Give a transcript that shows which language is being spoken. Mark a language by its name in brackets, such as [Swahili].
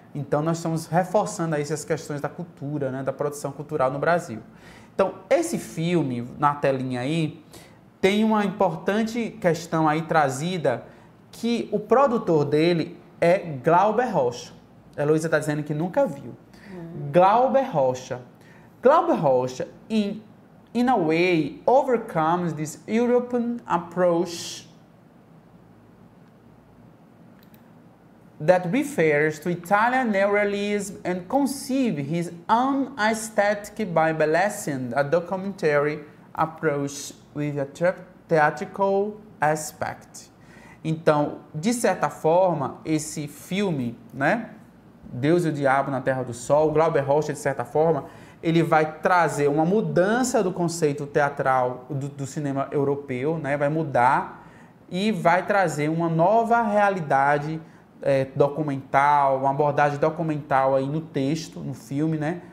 [Portuguese] Então, nós estamos reforçando aí essas questões da cultura, né? Da produção cultural no Brasil. Então, esse filme, na telinha aí, tem uma importante questão aí trazida, que o produtor dele é Glauber Rocha. Heloísa está dizendo que nunca viu. Glauber Rocha. [English] Glauber Rocha, in a way, overcomes this European approach that refers to Italian neorealism and conceives his own aesthetic by balancing a documentary approach with a theatrical aspect. [Portuguese] Então, de certa forma, esse filme, né? Deus e o Diabo na Terra do Sol, Glauber Rocha, de certa forma, ele vai trazer uma mudança do conceito teatral do cinema europeu, né? Vai mudar e vai trazer uma nova realidade documental, uma abordagem documental aí no texto, no filme, né?